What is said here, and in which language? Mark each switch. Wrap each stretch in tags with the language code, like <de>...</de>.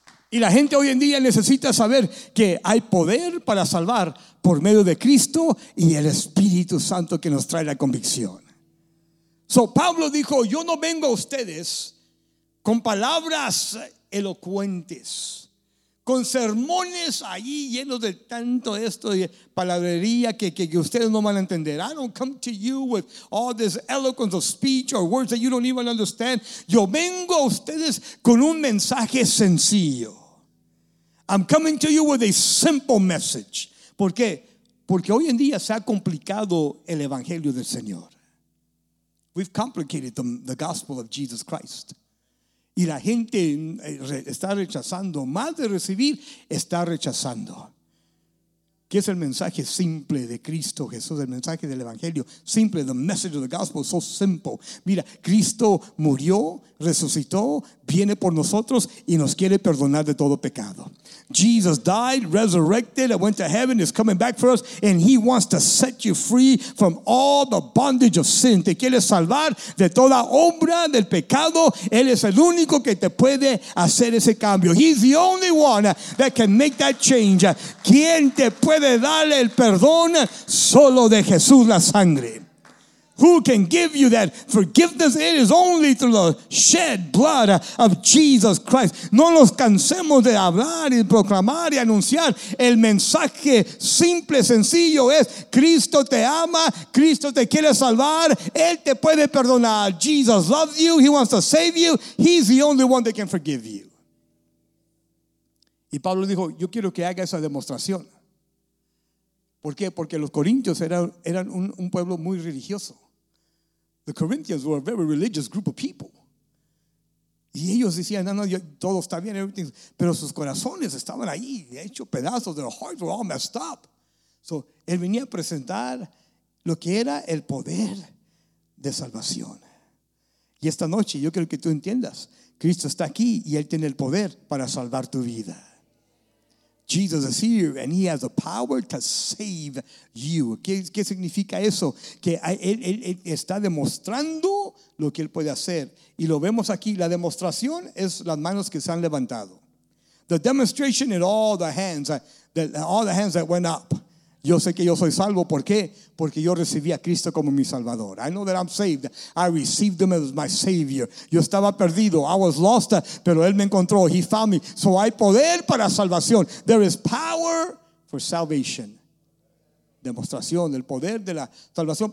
<es>Y la gente hoy en día necesita saber que hay poder para salvar por medio de Cristo y el Espíritu Santo que nos trae la convicción. So Pablo dijo, yo no vengo a ustedes con palabras elocuentes, con sermones allí llenos de tanto esto de palabrería que ustedes no van a entender.</es> <en>I don't come to you with all this eloquence of speech or words that you don't even understand.</en> <es>Yo vengo a ustedes con un mensaje sencillo.</es> <en>I'm coming to you with a simple message.</en> <es>¿Por qué? Porque hoy en día se ha complicado el evangelio del Señor.</es> <en>We've complicated the gospel of Jesus Christ.</en> <es>Y la gente está rechazando, más de recibir, está rechazando. ¿Qué es el mensaje simple de Cristo Jesús? El mensaje del Evangelio.</es> <en>Simple, the message of the gospel, so simple.</en> <es>Mira, Cristo murió, resucitó, viene por nosotros y nos quiere perdonar de todo pecado.</es> <en>Jesus died, resurrected, and went to heaven, is coming back for us, and he wants to set you free from all the bondage of sin.</en> <es>Te quiere salvar de toda obra del pecado. Él es el único que te puede hacer ese cambio.</es> <en>He's the only one that can make that change.</en> <es>¿Quién te puede dar el perdón? Solo de Jesús la sangre.</es> <en>Who can give you that forgiveness? It is only through the shed blood of Jesus Christ.</en> <es>No nos cansemos de hablar y proclamar y anunciar. El mensaje simple, sencillo es, Cristo te ama, Cristo te quiere salvar, Él te puede perdonar.</es> <en>Jesus loves you, He wants to save you, He's the only one that can forgive you.</en> <es>Y Pablo dijo, yo quiero que haga esa demostración. ¿Por qué? Porque los corintios eran un pueblo muy religioso.</es> <en>The Corinthians were a very religious group of people.</en> <es>Y ellos decían, no, yo, todo está bien, everything. Pero sus corazones estaban ahí, hechos pedazos,</es> <en>their hearts were all messed up.</en> <es>So, él venía a presentar lo que era el poder de salvación. Y esta noche yo quiero que tú entiendas, Cristo está aquí y Él tiene el poder para salvar tu vida.</es> <en>Jesus is here and He has the power to save you.</en> <es>¿Qué significa eso? Que él está demostrando lo que Él puede hacer. Y lo vemos aquí. La demostración es las manos que se han levantado.</es> <en>The demonstration in all the hands that went up.</en> <es>Yo sé que yo soy salvo. ¿Por qué? Porque yo recibí a Cristo como mi Salvador.</es> <en>I know that I'm saved. I received Him as my Savior.</en> <es>Yo estaba perdido.</es> <en>I was lost,</en> <es>pero Él me encontró.</es> <en>He found me.</en> <es>So hay poder para salvación.</es> <en>There is power for salvation.</en> <es>Demostración del poder de la salvación.</es>